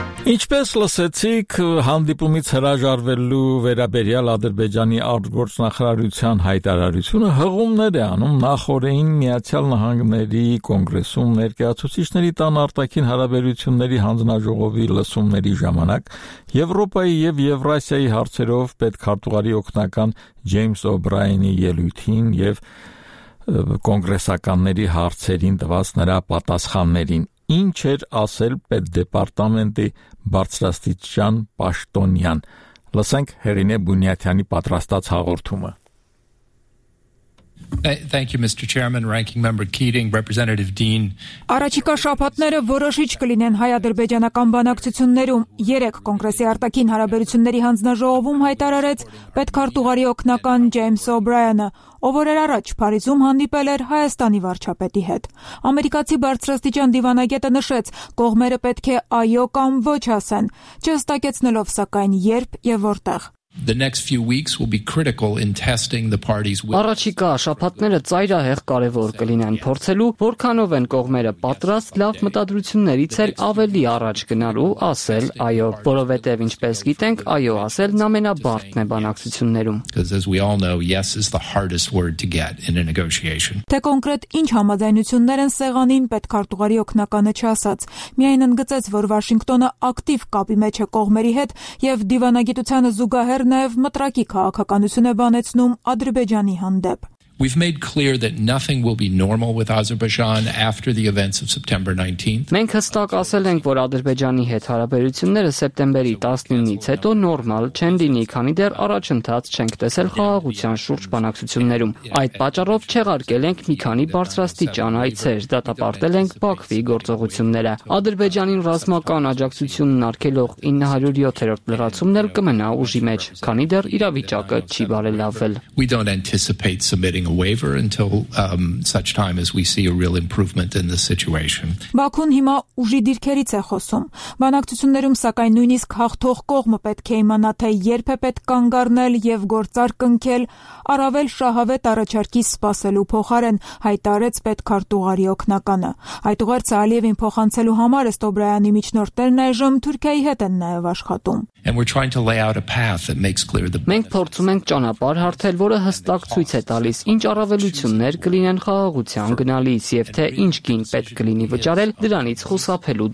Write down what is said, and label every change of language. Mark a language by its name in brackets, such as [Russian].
[Armenian] Ինչպես լսեցիք, հանդիպումից հրաժարվելու վերաբերյալ Ադրբեջանի արտգործնախարարության հայտարարությունը հղումներ է անում նախորդային Միացյալ Նահանգների կոնգրեսում ներկայացուցիչների տան արտաքին հարաբերությունների հանձնաժողովի լսումների ժամանակ Եվրոպայի և Եվրասիայի հարցերով պետքարտուղարի օգնական Ջեյմս Օբրայանի ելույթին և կոնգրեսականների հարցերին տված նրա պատասխաններին։ Ինչ էր ասել Պետդեպարտամենտի բարձրաստիճան պաշտոնյան։ Լսենք Հերինե Բունյատյանի պատրաստած հաղորդումը։ [English] Thank you, Mr. Chairman, Ranking Member Keating, Representative Dean. [Armenian] Առաջիկա շաբաթները որոշիչ կլինեն հայ-ադրբեջանական բանակցություններում։ Երեք կոնգրեսի արտաքին հարաբերությունների հանձնաժողովում հայտարարեց պետքարտուղարի օգնական Ջեյմս Օ'Բրայանը, ով օրեր առաջ Փարիզում հանդիպել էր Հայաստանի վարչապետի հետ։ Ամերիկացի բարձրաստիճան դիվանագետը նշեց, կողմերը պետք է այո կամ ոչ ասեն, չստակեցնելով սակայն երբ եւ որտեղ։ [English] The next few weeks will be critical in testing the party's will. [Armenian] Առաջիկա շաբաթները ծայրահեղ կարևոր կլինեն փորձելու, որքանով են կողմերը պատրաստ լավ մտադրություններից էլ ավելի առաջ գնալու, ասել այո, որովհետև ինչպես գիտենք, այո ասելն ամենաբարդն է բանակցություններում. [English] Because as we all know, yes is the hardest word to get in a negotiation. [Armenian] Թե կոնկրետ ինչ համաձայնություններ են սեղանին, պետքարտուղարի օկնականը չասաց։ Միայն ընդգծեց, որ Վաշինգտոնը ակտիվ կապի մեջ է կողմերի հետ եւ դիվանագիտությանը զուգահեռ նաև մտրակի քաղաքականություն է բանեցնում Ադրբեջանի հանդեպ։ [English] We've made clear that nothing will be normal with Azerbaijan after the events of September 19th. [Armenian] Մենք հստակ ասել ենք, որ Ադրբեջանի հետ հարաբերությունները սեպտեմբերի 19-ից հետո նորմալ չեն լինի, քանի դեռ առաջընթաց չենք տեսել խաղաղության շուրջ բանակցություններում։ Այդ պատճառով չեղարկել ենք մի քանի բարձրաստիճան այցեր, դատապարտել ենք Բաքվի գործողությունները։ Ադրբեջանին ռազմական աջակցությունն արգելող 907-րդ լրացումն էլ կմնա ուժի մեջ, քանի դեռ իրավիճակը չի բարելավվել։ [English] We don't anticipate submitting a waiver until such time as we see a real improvement in the situation. [Armenian] Բաքուն հիմա ուժի դիրքերից է խոսում։ Բանակցություններում սակայն նույնիսկ հաղթող կողմը պետք է իմանա, թե երբ է պետք կանգ առնել եւ գործարկնքել, առավել շահավետ առաջարկի սպասելու փոխարեն, հայտարարեց պետքարտուղարի օգնականը։ Այդ ուղերձը Ալիևին փոխանցելու համար Ստոբրայանի միջնորդներն այժմ Թուրքիայի հետ են նաեւ աշխատում։ [English] And we're trying to lay out a path that makes clear the [Armenian] Մենք փորձում ենք ճանապարհ հարթել, որը հստակ ցույց է տալիս, ինչ առավելություններ կլինեն խաղաղության գնալիս եւ թե ինչ գին պետք կլինի վճարել դրանից խուսափելու